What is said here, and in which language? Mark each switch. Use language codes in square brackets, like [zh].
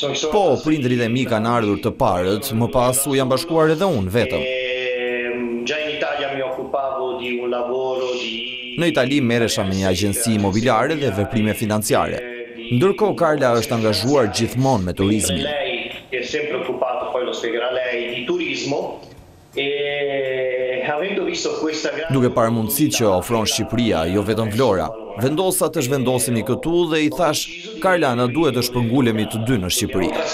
[sq] po, prindrit e mi kanë ardhur të parët, më pas u jam bashkuar edhe unë vetëm. [it] Già in Italia mi occupavo di un lavoro di. [sq] Në Itali merresha me një agjenci imobiliare dhe veprime financiare. Ndërkohë Carla është angazhuar gjithmonë me turizmin. [it] Lei è sempre occupato, poi lo spiegherà lei. [sq] Duke parë mundësitë që ofron Shqipëria, jo vetëm Vlora, vendosa të zhvendosemi këtu dhe i thash, Carla, na duhet të shpëngulemi të dy në Shqipëri.